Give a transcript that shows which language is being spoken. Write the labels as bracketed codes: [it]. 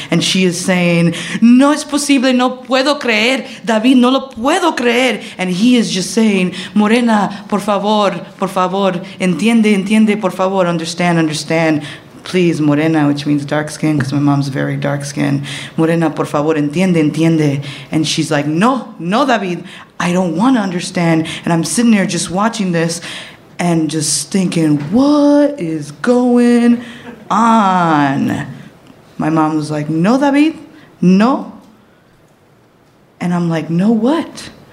[en] And she is saying, [es] no es posible, no puedo creer. David, no lo puedo creer. [en] And he is just saying, [es] Morena, por favor, entiende, entiende, por favor, [en] understand, understand. Please, Morena, which means dark skin, because my mom's very dark skin. [es] Morena, por favor, entiende, entiende. [en] And she's like, no, no, David, I don't want to understand. And I'm sitting there just watching this and just thinking, what is going on? My mom was like, no, David, no. And I'm like, no what?